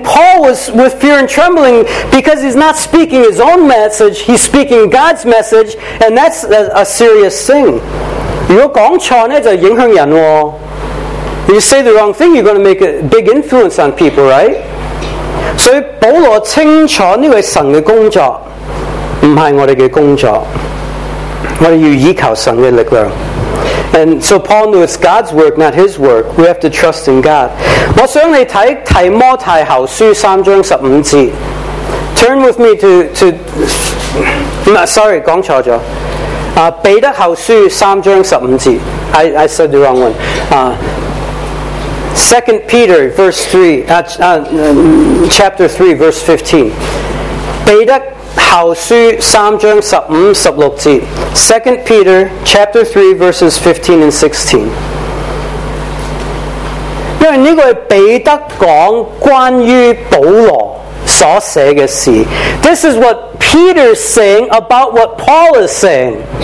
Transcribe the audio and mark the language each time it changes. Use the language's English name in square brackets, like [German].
[English] Paul was with fear and trembling because he's not speaking his own message, he's speaking God's message, and that's a serious thing. [Chinese] 如果讲错呢，就影响人。If [English] you say the wrong thing, you're going to make a big influence on people, right? [Chinese] 所以保罗清楚这是神的工作。不是我们的工作，我们要依靠神的力量。 [English] And so Paul knew it's God's work, not his work. We have to trust in God. [Chinese] 我想你看提摩太后书3章15节。 [English] Turn with me to sorry, [Chinese] 讲错了。彼得后书3章15节。 [English] I said the wrong one. 2 Peter verse 3, chapter 3, verse 15. [Chinese] 彼得后书3章15、16节 [English] 2 Peter chapter 3 verses 15 and 16 [Chinese] 因为这个是彼得讲关于保罗所写的事。 [English] This is what Peter is saying about what Paul is saying.